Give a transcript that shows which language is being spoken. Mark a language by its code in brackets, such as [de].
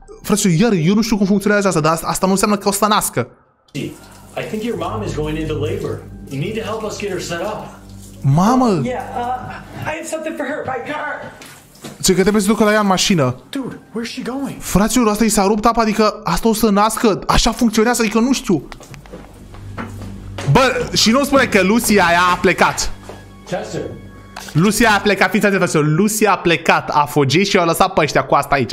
[ro] Frate, iar eu nu știu cum funcționează asta, dar asta nu înseamnă că o să nască. [en] I think your mom is going into labor. You need to help us get her set up. [ro] Mamă. [en] Yeah, I have something for her by car. [ro] Ce, că trebuie să ducă la ea în mașină. [en] Dude, where's she going? [ro] Fraților, asta i s-a rupt apa, adică asta o să nască. Așa funcționează, adică nu știu. Bă, și nu spune că Lucia aia a plecat. Chester. Lucia a plecat, fiți atent, fraților. Lucia a plecat, a fugit și a lăsat pe ăștia cu asta aici.